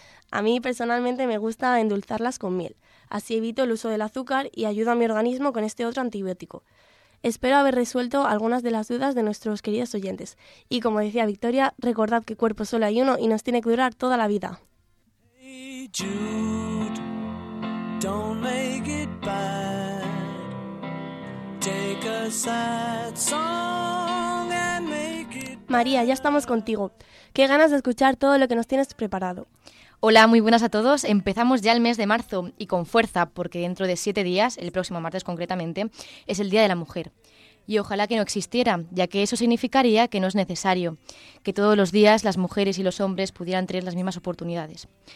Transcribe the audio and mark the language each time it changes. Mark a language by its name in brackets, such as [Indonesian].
[Spanish] A mí personalmente me gusta endulzarlas con miel, así evito el uso del azúcar y ayudo a mi organismo con este otro antibiótico. Espero haber resuelto algunas de las dudas de nuestros queridos oyentes. Y como decía Victoria, recordad que cuerpo solo hay uno y nos tiene que durar toda la vida. [English] Hey Jude, don't make it bad. Take a sad song and make it bad. [Spanish] María, ya estamos contigo. Qué ganas de escuchar todo lo que nos tienes preparado. Hola, muy buenas a todos. Empezamos ya el mes de marzo y con fuerza, porque dentro de 7 días, el próximo martes concretamente, es el Día de la Mujer. Y ojalá que no existiera, ya que eso significaría que no es necesario, que todos los días las mujeres y los hombres pudieran tener las mismas oportunidades.